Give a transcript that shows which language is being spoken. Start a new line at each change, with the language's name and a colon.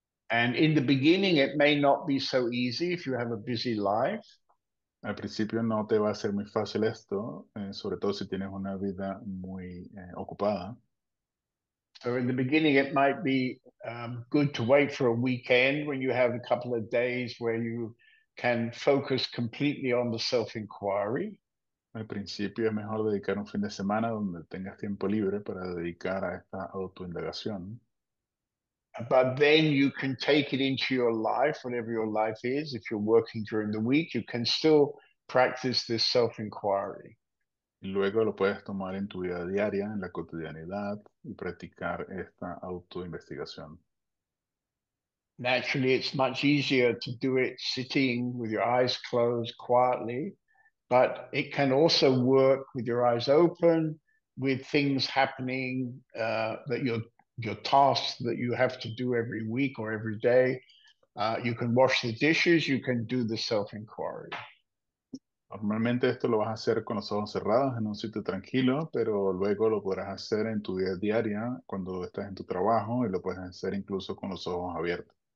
English: And in the beginning, it may not be so easy if you have a busy life.
Spanish: Al principio no te va a ser muy fácil esto, sobre todo si tienes una vida muy ocupada.
English: So in the beginning, it might be good to wait for a weekend when you have a couple of days where you can focus completely on the self-inquiry.
Spanish: Al principio es mejor dedicar un fin de semana donde tengas tiempo libre para dedicar a esta autoindagación.
English: But then you can take it into your life, whatever your life is. If you're working during the week, you can still practice this self-inquiry.
Spanish: Y luego lo puedes tomar en tu vida diaria, en la cotidianidad, y practicar esta autoinvestigación.
English: Naturally, it's much easier to do it sitting with your eyes closed quietly, but it can also work with your eyes open, with things happening that you're your tasks that you have to do every week or every day. You can wash the dishes, you can do the self-inquiry.
Spanish: Normalmente esto lo vas a hacer con los ojos cerrados en un sitio tranquilo, pero luego lo podrás hacer en tu vida diaria cuando estás en tu trabajo y lo puedes hacer incluso con los ojos abiertos.